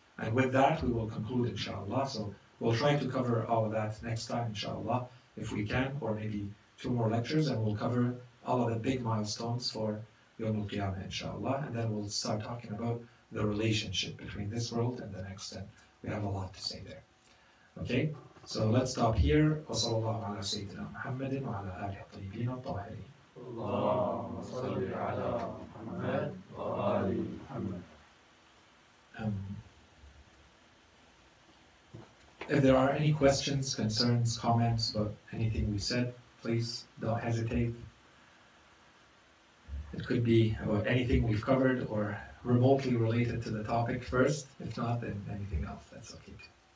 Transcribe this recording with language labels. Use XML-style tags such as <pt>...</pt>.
<en>And with that, we will conclude, inshallah. So we'll try to cover all of that next time, inshallah, if we can, or maybe two more lectures, and we'll cover all of the big milestones for Yawm al-Qiyamah, inshallah. And then we'll start talking about the relationship between this world and the next, and We have a lot to say there. Okay, so let's stop here.</en> <ar>وصلى الله على سيدنا محمد وعلى آله الطيبين الطاهرين. اللهم صل على محمد وآل محمد.</ar> <en>If there are any questions, concerns, comments about anything we said, please don't hesitate. It could be about anything we've covered or remotely related to the topic first. If not, then anything else, that's okay too.</en>